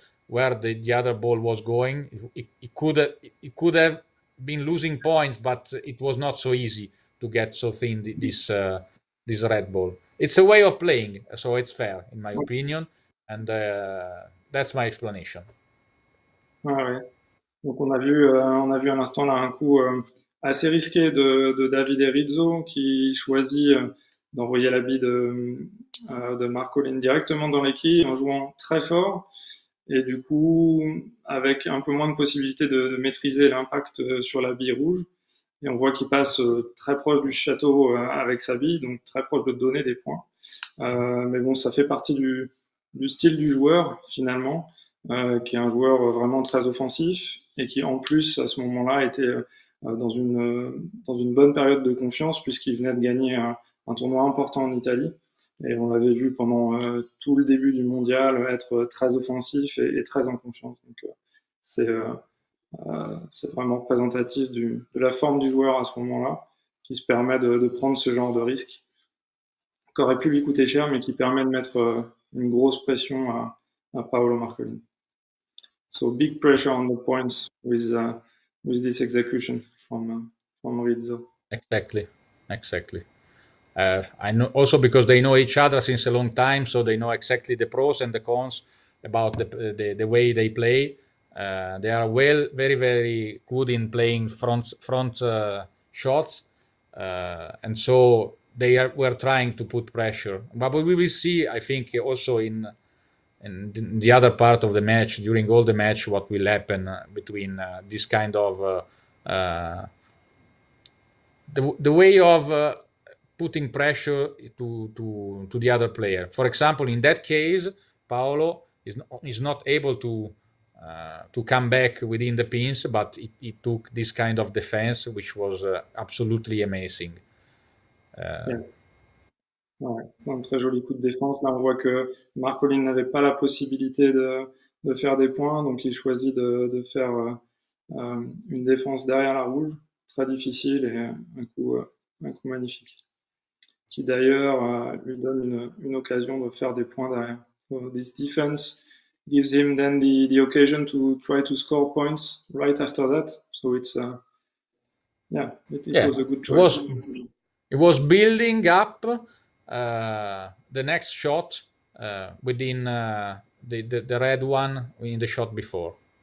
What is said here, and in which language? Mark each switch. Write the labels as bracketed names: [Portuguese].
[English] where the other ball was going. It could have been losing points, but it was not so easy to get so thin this red ball. It's a way of playing, so it's fair in my opinion, and that's my explanation. [French] Ah ouais. Donc on a vu à l'instant là un coup assez risqué de Davide Rizzo qui choisit d'envoyer la bille de Marcolin directement dans les quilles en jouant très fort et du coup avec un peu moins de possibilité de maîtriser l'impact sur la bille rouge. Et on voit qu'il passe très proche du château avec sa bille, donc très proche de donner des points. Mais bon, ça fait partie du style du joueur, finalement, qui est un joueur vraiment très offensif et qui, en plus, à ce moment-là, était dans une bonne période de confiance puisqu'il venait de gagner un tournoi important en Italie. Et on l'avait vu pendant tout le début du mondial être très offensif et très en confiance. Donc, c'est vraiment représentatif de la forme du joueur à ce moment-là, qui se permet de prendre ce genre de risque, qu'aurait pu lui coûter cher, mais qui permet de mettre une grosse pression à Paolo Marcolin. [English] So big pressure on the points with this execution from Rizzo. Exactly, exactly. I know also because they know each other since a long time, so they know exactly the pros and the cons about the way they play. They are well, very, very good in playing front shots, and so they were trying to put pressure. But we will see, I think, also in the other part of the match, during all the match, what will happen between this kind of the way of putting pressure to the other player. For example, in that case, Paolo is not able to come back within the pins, but he took this kind of defense, which was absolutely amazing. Yes. [French] Ouais. Un très joli coup de défense. Là, on voit que Marcolin n'avait pas la possibilité de faire des points, donc il choisit de faire une défense derrière la rouge, très difficile et un coup magnifique, qui d'ailleurs lui donne une occasion de faire des points derrière. [English] So, this defense gives him then the occasion to try to score points right after that. So it's it was a good choice. It was building up the next shot within the red one in the shot before.